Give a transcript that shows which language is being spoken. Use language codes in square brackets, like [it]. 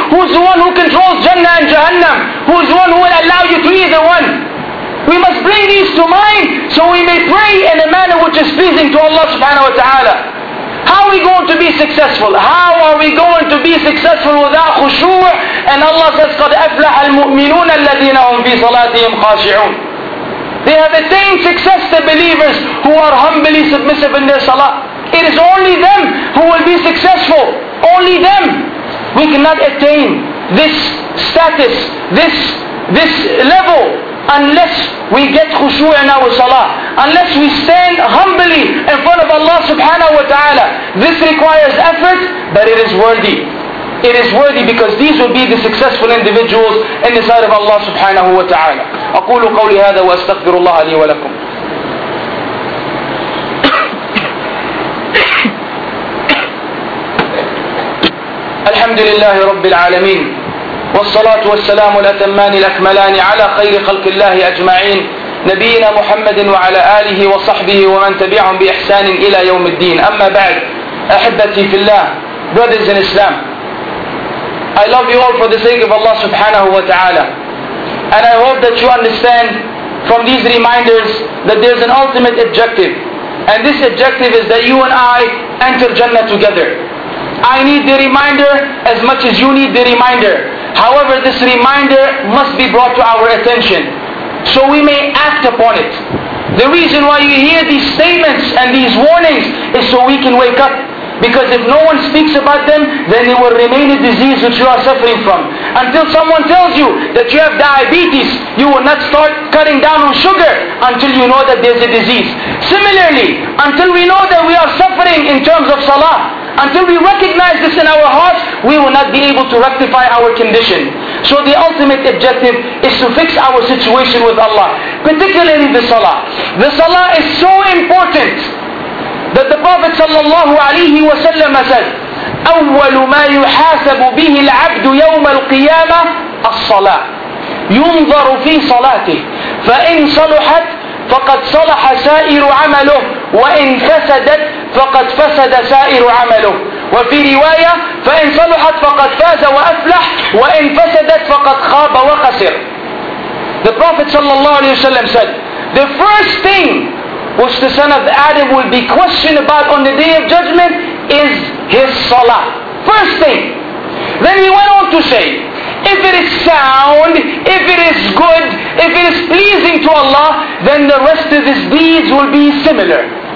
[en] Who is the one who controls Jannah and Jahannam? Who is the one who will allow you to be the one? We must bring these to mind so we may pray in a manner which is pleasing to Allah subhanahu wa ta'ala. How are we going to be successful? How are we going to be successful without khushu'? And Allah says, [ar] قَدْ أَفْلَحَ الْمُؤْمِنُونَ الَّذِينَ هُمْ فِي صَلَاتِهِمْ خَاشِعُونَ. [en] They have attained success, the believers who are humbly submissive in their salah. It is only them who will be successful. Only them. We cannot attain this status, this level, unless we get khushu' in our salah. Unless we stand humbly in front of Allah subhanahu wa ta'ala. This requires effort, but it is worthy. It is worthy, because these will be the successful individuals in the sight of Allah subhanahu wa ta'ala. [ar] أقول قولي هذا وأستغفر الله لي ولكم. الحمد لله رب العالمين، والصلاة والسلام الأتمان الأكملان على خير خلق الله أجمعين، نبينا محمد وعلى آله وصحبه ومن تبعهم بإحسان إلى يوم الدين. أما بعد، أحبتي في الله، [en] brothers in Islam, I love you all for the sake of Allah subhanahu wa ta'ala. And I hope that you understand from these reminders that there's an ultimate objective. And this objective is that you and I enter Jannah together. I need the reminder as much as you need the reminder. However, this reminder must be brought to our attention, so we may act upon it. The reason why you hear these statements and these warnings is so we can wake up. Because if no one speaks about them, then it will remain a disease which you are suffering from. Until someone tells you that you have diabetes, you will not start cutting down on sugar until you know that there's a disease. Similarly, until we know that we are suffering in terms of salah, until we recognize this in our hearts, we will not be able to rectify our condition. So the ultimate objective is to fix our situation with Allah, particularly the salah. The salah is so important that the Prophet sallallahu alayhi wa sallam said, [ar] أَوَّلُ مَا يُحَاسَبُ بِهِ الْعَبْدُ يَوْمَ الْقِيَامَةِ الصَّلَاةِ يُنظَرُ فِي صَلَاتِهِ فَإِنْ صَلُحَتْ فَقَدْ صَلَحَ سَائِرُ عَمَلُهُ وَإِنْ فَسَدَتْ فَقَدْ فَسَدَ سَائِرُ عَمَلُهُ وَفِي رِوَايَةٍ فَإِنْ صَلُحَتْ فَقَدْ فَازَ وَأَفْلَحْ وَإِنْ فَسَدَتْ فَقَدْ خَابَ وَخَسِرْ. [en] The Prophet sallallahu alayhi wa sallam said, the first thing which the son of Adam will be questioned about on the Day of Judgment is his salah. First thing. Then he went on to say, if it is sound, if it is good, if it is pleasing to Allah, then the rest of his deeds will be similar.